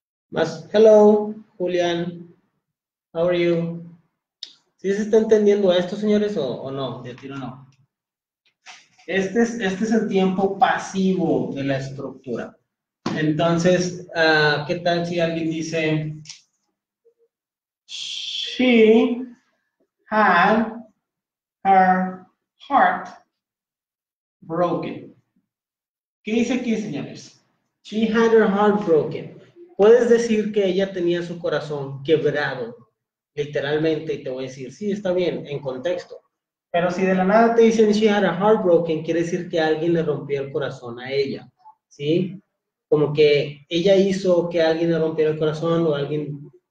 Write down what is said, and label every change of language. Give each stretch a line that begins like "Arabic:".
Spanish: Más,
English: hello, Julián. How are you?
Spanish: ¿Sí se está entendiendo esto, señores, o no? De tiro no. Este es el tiempo pasivo de la estructura. Entonces, ¿qué tal si alguien dice?
English: She had her heart broken.
Spanish: ¿Qué dice aquí, señores?
English: She had her heart broken.
Spanish: Puedes decir que ella tenía su corazón quebrado. Literalmente, y te voy a decir, sí, está bien, en contexto. Pero si de la nada te dicen
English: she had a heartbroken,
Spanish: quiere decir que alguien le rompió el corazón a ella, ¿sí? Como que ella hizo que alguien le rompiera el corazón o alguien.